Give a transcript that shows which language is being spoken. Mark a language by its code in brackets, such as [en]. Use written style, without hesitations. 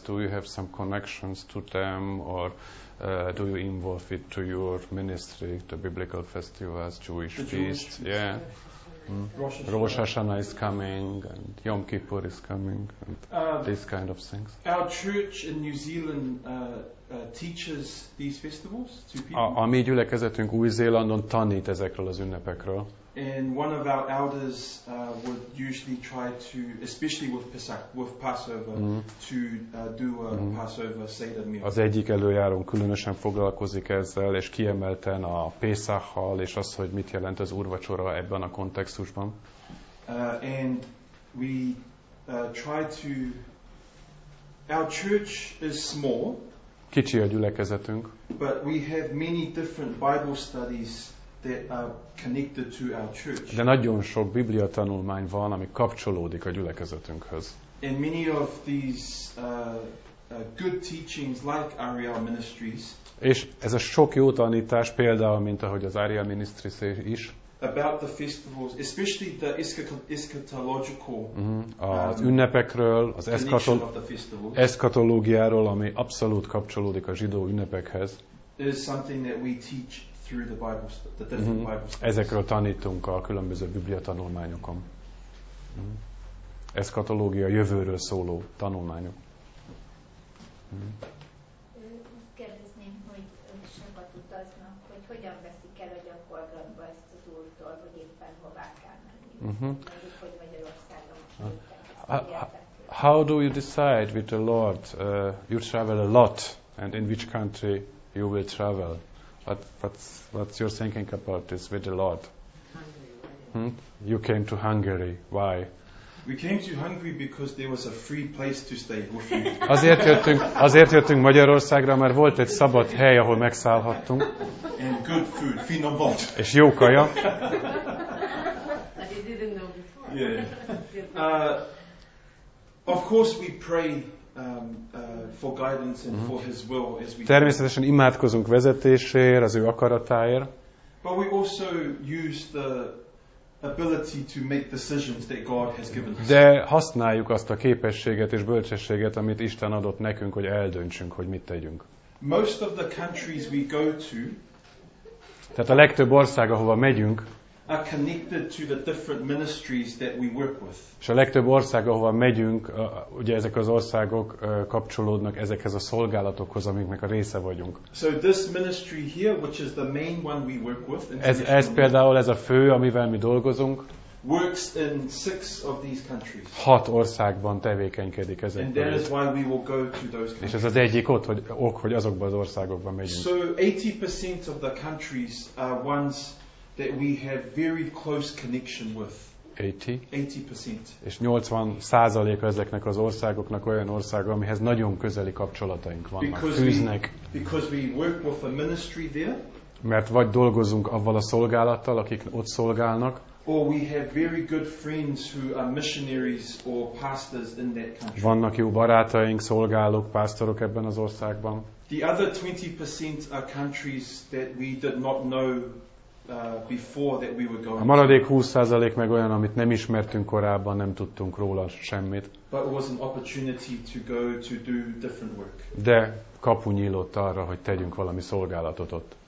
[en] Do you have some connections to them, or do you involve it to your ministry, the biblical festivals, Jewish feasts? Yeah. Rosh Hashanah is coming, and Yom Kippur is coming, and these kind of things. Our church in New Zealand teaches these festivals to people. [hu] A mi gyülekezetünk Új-Zélandon tanít ezekről az ünnepekről. [en] And one of our elders would usually try to, especially with Pesach, with Passover, to do a Passover Seder meal. [hu] Az egyik előjárón különösen foglalkozik ezzel, és kiemelten a Pesachhal, és az, hogy mit jelent az úrvacsora ebben a kontextusban. [en] And we try to, our church is small. [hu] Kicsi a gyülekezetünk. [en] But we have many different Bible studies that are connected to our church. [hu] De nagyon sok Biblia tanulmány van, ami kapcsolódik a gyülekezetünkhöz. [en] And many of these good teachings, like Ariel Ministries. [hu] És ez a sok jó tanítás, például mint ahogy az Ariel Ministries is. [en] About the festivals, especially the eschatological. [hu] Az ünnepekről, az eschatológiáról, ami abszolút kapcsolódik a zsidó ünnepekhez. [en] Is something that we teach through the Bible, the different Bible studies. [hu] Ezekről tanítunk a különböző Biblia tanulmányokon. Eszkatológia, jövőről szóló tanulmányok. Kérdezném, hogy sabat utaznak, hogy hogyan veszik el a gyakorlatba ezt az úrtól, hogy éppen hová kell menni. [en] How do you decide with the Lord? You travel a lot, and in which country you will travel? What's your thinking about this with the Lord? You came to Hungary. Why? We came to Hungary because there was a free place to stay. [hu] Azért jöttünk Magyarországra, mert volt egy szabad hely, ahol megszállhattunk. [en] And good food, [hu] finom volt. És jó kaja. [en] I didn't know before. Yeah. Of course we pray for guidance and for his will as we [hu] Természetesen imádkozunk vezetésért, az ő akaratáért. [en] But we also use the ability to make decisions that God has given us. [hu] De használjuk azt a képességet és bölcsességet, amit Isten adott nekünk, hogy eldöntsünk, hogy mit tegyünk. [en] Most of the countries we go to, [hu] tehát a legtöbb ország, ahova megyünk, [en] are connected to the different ministries that we work with. [hu] És a legtöbb ország, ahova megyünk, ugye ezek az országok kapcsolódnak ezekhez a szolgálatokhoz, amiknek a része vagyunk. [en] So this ministry here, which is the main one we work with, [hu] ez például ez a fő, amivel mi dolgozunk, [en] works in six of these countries. [hu] Hat országban tevékenykedik ezek. [en] And that is why we will go to those countries. [hu] És ez az egyik hogy azokban az országokban megyünk. [en] So 80% of the countries are ones that we have very close connection with. 80%. [hu] És 80% ezeknek az országoknak olyan országa, amihez nagyon közeli kapcsolataink vannak, fűznek. [en] Because we work with a ministry there. [hu] Mert vagy dolgozunk avval a szolgálattal, akik ott szolgálnak. [en] Or we have very good friends who are missionaries or pastors in that country. [hu] Vannak jó barátaink, szolgálók, pásztorok ebben az országban. [en] The other 20% are countries that we did not know before that we were going. [hu] A maradék 20% meg olyan, amit nem ismertünk korábban, nem tudtunk róla semmit. [en] But it was an opportunity to go to do different work. [hu] De kapu nyílott arra, hogy tegyünk valami szolgálatot ott.